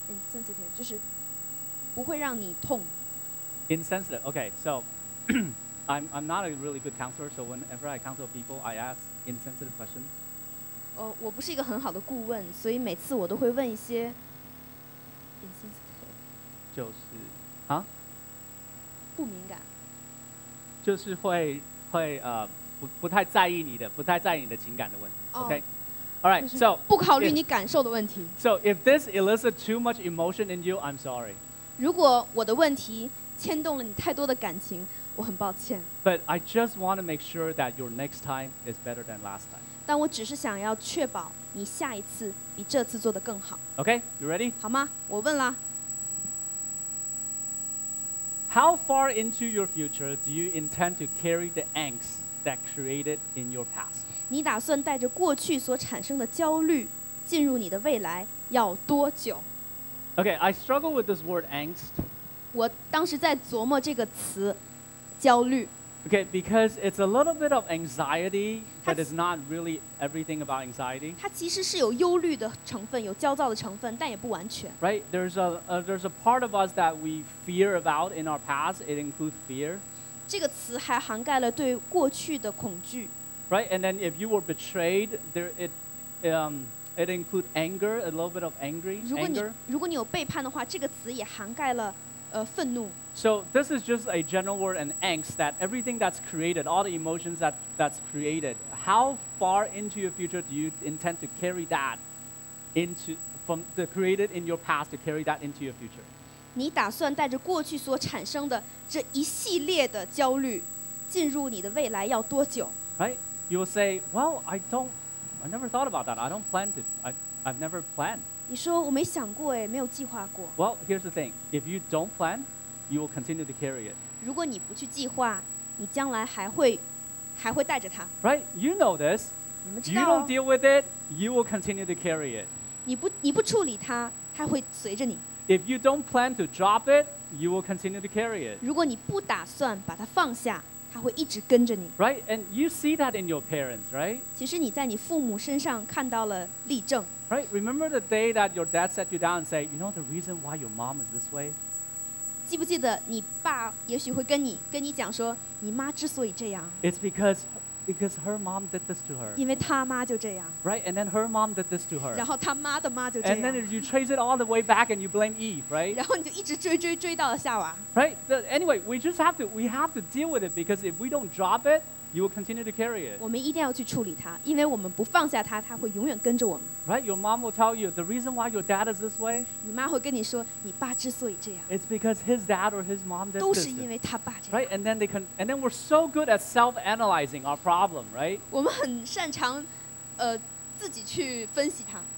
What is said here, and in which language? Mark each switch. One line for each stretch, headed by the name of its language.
Chinese: Insensitive 就是不会让你痛。
English: Insensitive. Okay, so I'm not a really good counselor. So whenever I counsel people, I ask insensitive questions.
Chinese: 我不是一个很好的顾问，所以每次我都会问一些 insensitive. 就是，哈？不敏感。就是会不太在意你的，不太在意你的情感的问题。
English: Oh. Okay. All right, so
Chinese: 不考虑你感受的问题。
English: So if this elicits too much emotion in you, I'm sorry.
Chinese: 如果我的问题牵动了你太多的感情，我很抱歉。
English: But I just want to make sure that your next time is better than last time.
Chinese: 但我只是想要确保你下一次比这次做得更好。
English: Okay, you ready?
Chinese: 好吗？我问啦。
English: How far into your future do you intend to carry the angst that created in your past?
Chinese: 你打算带着过去所产生的焦虑进入你的未来要多久？
English: Okay, I struggle with this word angst.
Chinese: 我当时在琢磨这个词，焦虑。
English: Okay, because it's a little bit of anxiety, but it's not really everything about anxiety.
Chinese: 它其实是有忧虑的成分，有焦躁的成分，但也不完全。
English: Right, there's a part of us that we fear about in our past. It includes fear.
Chinese: 这个词还涵盖了对过去的恐惧。
English: Right, and then if you were betrayed, it includes anger, a little bit of angry.
Chinese: 如果你有背叛的话，这个词也涵盖了。愤怒。
English: So this is just a general word, an angst, that everything that's created, all the emotions that's created, how far into your future do you intend to carry that into, from the created in your past, to carry that into your future?
Chinese: 你打算带着过去所产生的这一系列的焦虑进入你的未来要多久？
English: Right? You will say, well, I never thought about that. I've never planned.
Chinese: 你说我没想过，没有计划过。
English: Well, here's the thing. If you don't plan, you will continue to carry it.
Chinese: 如果你不去计划，你将来还会带着它。
English: Right? You know this.
Chinese: 你们知道。
English: You don't deal with it, you will continue to carry it.
Chinese: 你不处理它，它会随着你。
English: If you don't plan to drop it, you will continue to carry it.
Chinese: 如果你不打算把它放下，它会一直跟着你。
English: Right? And you see that in your parents, right?
Chinese: 其实你在你父母身上看到了例证。
English: Right, remember the day that your dad set you down and say, you know the reason why your mom is this way?
Chinese: 记不记得你爸也许会跟你讲说你妈之所以这样。
English: It's because her mom did this to her.
Chinese: 因为她妈就这样。
English: Right, and then her mom did this to her.
Chinese: 然后她妈的妈就这样。
English: And then you trace it all the way back and you blame Eve, right?
Chinese: 然后你就一直追到了夏娃。
English: Right, but anyway, we have to deal with it because if we don't drop it,You will continue to carry it.
Chinese: 我们一定要去处理它，因为我们不放下它，它会永远跟着我们。
English: Right? Your mom will tell you the reason why your dad is this way.
Chinese: 你妈会跟你说，你爸之所以这样。
English: It's because his dad or his mom did this.
Chinese: 都是因为他爸这样。
English: Right? And then we're so good at self-analyzing our problem, right?
Chinese: 我们很擅长，自己去分析它。